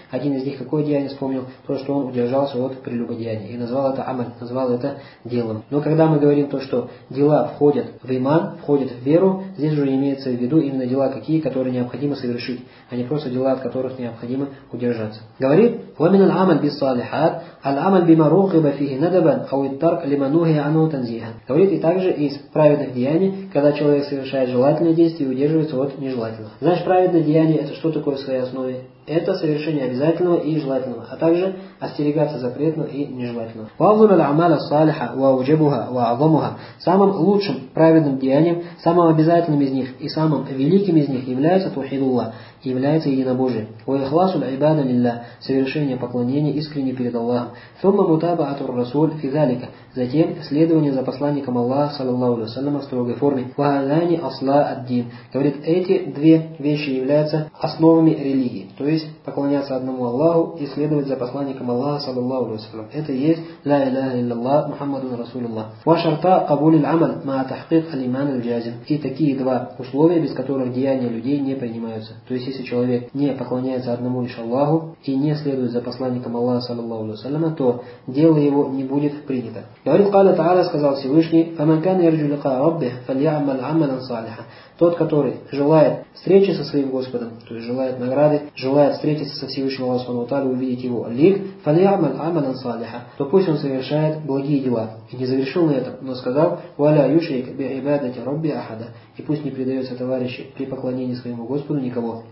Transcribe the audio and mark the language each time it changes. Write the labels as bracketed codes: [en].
[ru] Один из них какое деяние вспомнил? То, что он удержался от прелюбодеяния. И назвал это амаль, назвал это делом. Но когда мы говорим то, что дела входят в иман, входят в веру, здесь уже имеется в виду именно дела какие, которые необходимо совершить, а не просто дела, от которых необходимо удержаться. Говорит, [ar] ومن العمل بالصالحات العمل بما رغب فيه ندبا او الترك لما نهي عنه تنزيها. [ru] Говорит, и также из праведных деяний, когда человек совершает желательные действия и удерживается от нежелательных. Знаешь, праведное деяние это что такое в своей основе? Это совершение обязательного и желательного, а также остерегаться запретного и нежелательного. [ar] وافضل الاعمال الصالحه واوجبها واعظمها. [ru] Самым лучшим праведным деянием, самым обязательным из них и самым великим из них является тухидуллах, является единобожие. [ar] وإخلاصُ العباد لله, [ru] совершение поклонения искренне перед Аллахом. [ar] ثم متابعةُ الرسول في ذلك, [ru] затем следование за посланником Аллаха саллаллаху алейхи ва саллям в строгой форме. [ar] وهذان أصلا الدين. [ru] Говорит, эти две вещи являются основами религии. То есть поклоняться одному Аллаху и следовать за посланником Аллаха саллаллаху алейхи ва саллям. Это и есть ля иляха илляллах Мухаммадун расулуллах. [ar] وشرطَ قبولِ العمل مع تحقيق الإيمان الجازم. [ru] И такие два условия, без которых деяния людей не принимаются. То есть, если человек не поклоняется одному лишь Аллаху и не следует за посланником Аллаха, саллаллаху алейхи ва саллям, то дело его не будет принято. Говорит, [ar] قال تعالى, [ru] сказал Всевышний, [ar] فَمَنْ كَانَ يَرْجُ لِقَاءَ رَبِّهِ فَلْيَعْمَلْ عَمَلًا صَالِحًا. [ru] Тот, который желает встречи со своим Господом, то есть желает награды, желает встретиться со Всевышним Аллахом ва Тааля, увидеть его лик, [ar] فَلْيَعْمَلْ عَمَلًا صَالِحًا, [ru] то пусть он совершает благие дела. И не завершил на этом, но сказал, [ar] وَلَا يُشْرِكْ بِعِبَادَةِ رَبِّ أَحَدًا, [ru] и пусть не предается товарищи при поклонении своему Господу никого.